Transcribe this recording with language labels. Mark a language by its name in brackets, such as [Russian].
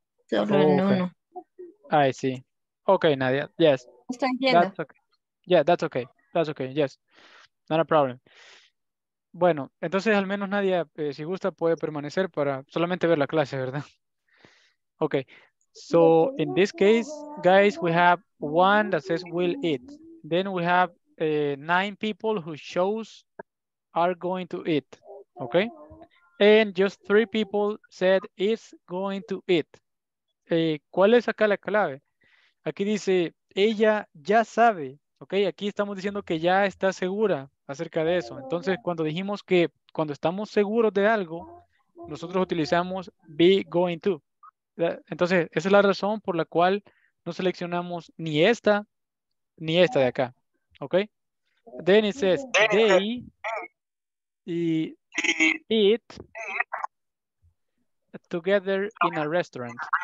[Spanish] Solo en uno. [English] I see. Okay, Nadia. Yes. [Spanish] Estoy viendo. [English] That's okay. Yeah, that's okay. That's okay. Yes. Not a problem. [Spanish] Bueno, entonces al menos Nadia, si gusta, puede permanecer para solamente ver la clase, ¿verdad? [English] Okay. So in this case, guys, we have one that says will eat. Then we have 9 people who shows are going to eat, okay? And just 3 people said is going to eat. [Spanish] ¿Cuál es acá la clave? Aquí dice, ella ya sabe, okay? Aquí estamos diciendo que ya está segura acerca de eso. Entonces, cuando dijimos que cuando estamos seguros de algo, nosotros utilizamos be going to. Entonces, esa es la razón por la cual no seleccionamos ni esta de acá. [English] Okay, then it says they eat together in a restaurant.